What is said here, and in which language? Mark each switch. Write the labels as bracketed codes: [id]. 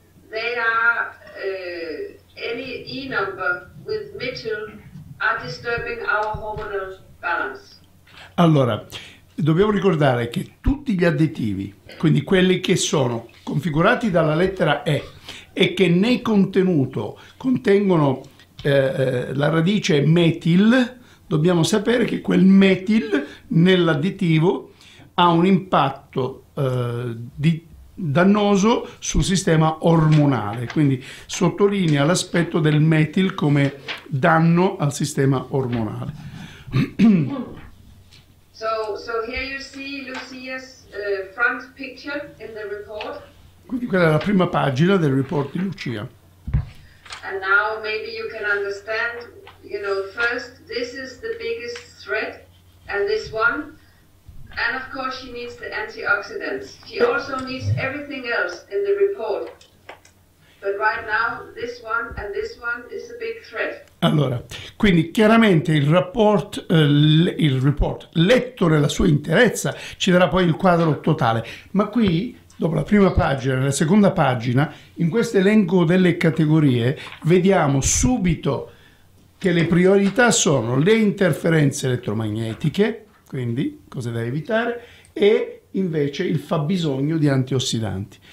[en] They are any E number with methyl are disturbing our hormonal balance. [it] Allora, dobbiamo ricordare che tutti gli additivi, quindi quelli che sono configurati dalla lettera E e che nel contenuto contengono la radice metil, dobbiamo sapere che quel metil nell'additivo ha un impatto dannoso sul sistema ormonale, quindi sottolinea l'aspetto del metil come danno al sistema ormonale. [en] So here you see Lucia's front picture in the report. [it] Quindi quella è la prima pagina del report di Lucia. [en] And now maybe you can understand, you know, first this is the biggest threat and this one. And of course she needs the antioxidants. She also needs everything else in the report. But right now this one and this one is a big threat. [it] Allora, quindi chiaramente il report letto nella sua interezza ci darà poi il quadro totale. Ma qui, dopo la prima pagina, la seconda pagina, in questo elenco delle categorie, vediamo subito che le priorità sono le interferenze elettromagnetiche, quindi cose da evitare, e invece il fabbisogno di antiossidanti.